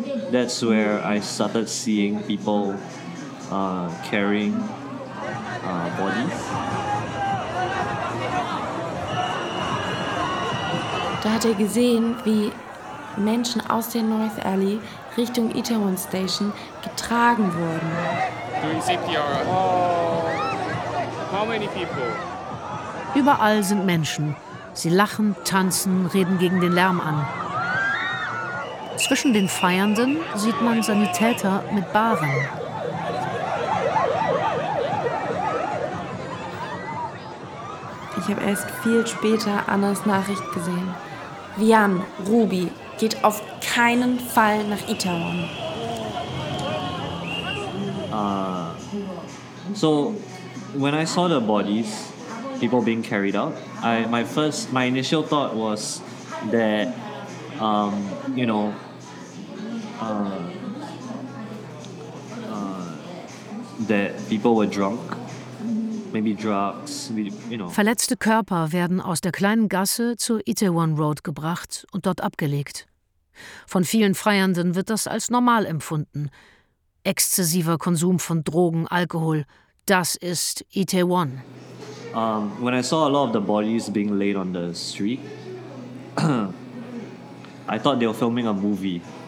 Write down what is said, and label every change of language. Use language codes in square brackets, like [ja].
[en] That's where I started seeing people carrying bodies. [de] Da hat er gesehen, wie Menschen aus der North Alley Richtung Itaewon Station getragen wurden. [en] Doing CPR. How many people? [de] Überall sind Menschen. Sie lachen, tanzen, reden gegen den Lärm an. Zwischen den Feiernden sieht man Sanitäter mit Bahren. Ich habe erst viel später Annas Nachricht gesehen. Vian, Ruby, geht auf keinen Fall nach Itaewon. [en] So, when I saw the bodies, people being carried out, my initial thought was that, you know, that people were drunk, maybe drugs, you know. [de] Verletzte Körper werden aus der kleinen Gasse zur Itaewon Road gebracht und dort abgelegt. Von vielen Feiernden wird das als normal empfunden. Exzessiver Konsum von Drogen, Alkohol, das ist Itaewon. [en] When I saw a lot of the bodies being laid on the street, I thought they were filming a movie.